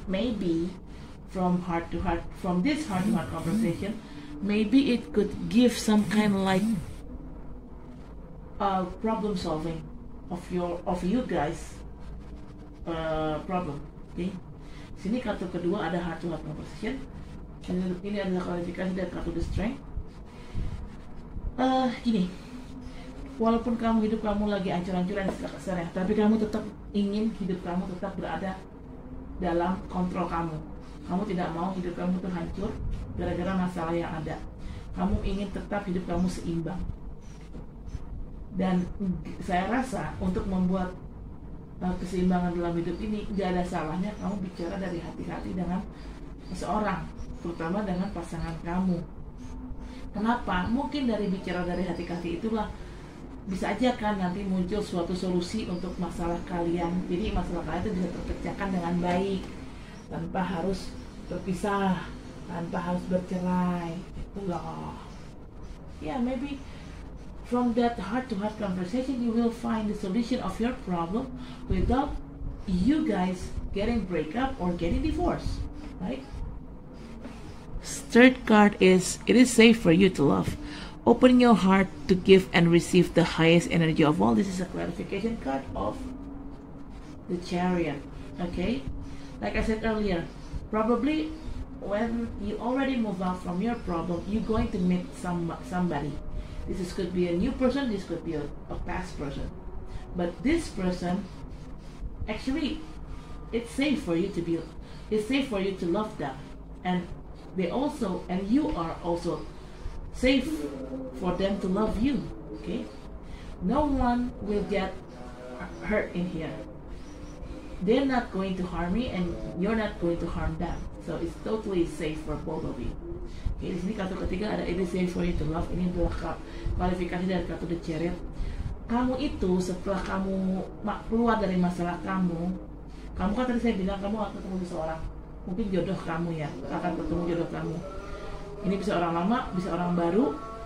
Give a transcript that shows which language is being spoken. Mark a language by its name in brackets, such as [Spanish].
[English] Maybe from this heart-to-heart conversation, maybe it could give some kind of like problem solving of you guys problem. [Indonesian] Okay, sini kartu kedua ada [English] heart-to-heart conversation. [Indonesian] Ini adalah kualifikasi dari kartu The Strength. Gini, walaupun kamu hidup kamu lagi hancur-hancuran sekarang, ya, tapi kamu tetap ingin hidup kamu tetap berada dalam kontrol kamu. Kamu tidak mau hidup kamu terhancur gara-gara masalah yang ada. Kamu ingin tetap hidup kamu seimbang. Dan saya rasa untuk membuat keseimbangan dalam hidup ini, gak ada salahnya kamu bicara dari hati-hati dengan seseorang, terutama dengan pasangan kamu. Kenapa? Mungkin dari bicara dari hati-hati itulah bisa aja kan nanti muncul suatu solusi untuk masalah kalian. Jadi masalah kalian itu bisa terpecahkan dengan baik, tanpa harus terpisah, tanpa harus bercerai. Itulah. [English] Yeah, maybe from that heart-to-heart conversation, you will find the solution of your problem without you guys getting break up or getting divorced, right? Third card is, it is safe for you to love. Open your heart to give and receive the highest energy of all. This is a clarification card of the Chariot, okay? Like I said earlier, probably when you already move out from your problem, you're going to meet somebody. This is, could be a new person, this could be a past person. But this person, actually, it's safe for you to be, it's safe for you to love them. And they also, and you are also safe for them to love you, okay? No one will get hurt in here. They're not going to harm me and you're not going to harm them. So it's totally safe for both of you. Okay, [Indonesian] di sini kartu ketiga ada, [English] it is safe for you to love. [Indonesian] Ini adalah kualifikasi dari kartu The Chariot. Kamu itu setelah kamu keluar dari masalah kamu, kamu kan tadi saya bilang kamu akan ketemu seseorang, mungkin jodoh kamu ya, akan ketemu jodoh kamu. Ini bisa orang lama, bisa orang baru.